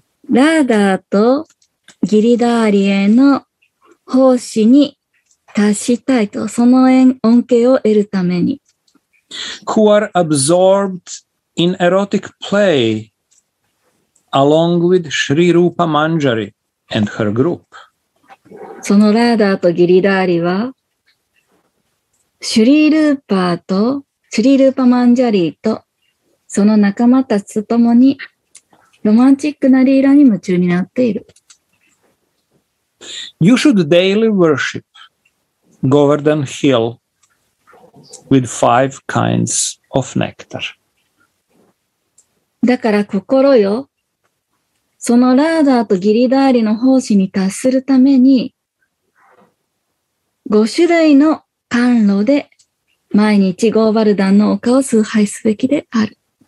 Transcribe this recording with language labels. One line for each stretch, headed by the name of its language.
Japanese: ラーダーとギリダーリへの奉仕に達したいと、その恩恵を得るために。
English: Who are absorbed in erotic play along with Shri Rupa Manjari and her group.
Japanese: そのラーダーとギリダーリは、シュリールーパマンジャリーと、その仲間たちと共に、ロマンチックなリーラに夢中になっている。
English: You should daily worship Govardhan Hill with five kinds of nectar.
Japanese: だから心よ、そのラーダーとギリダーリの奉仕に達するために、五種類の甘露で毎日ゴーバルダンの丘を崇拝すべきである。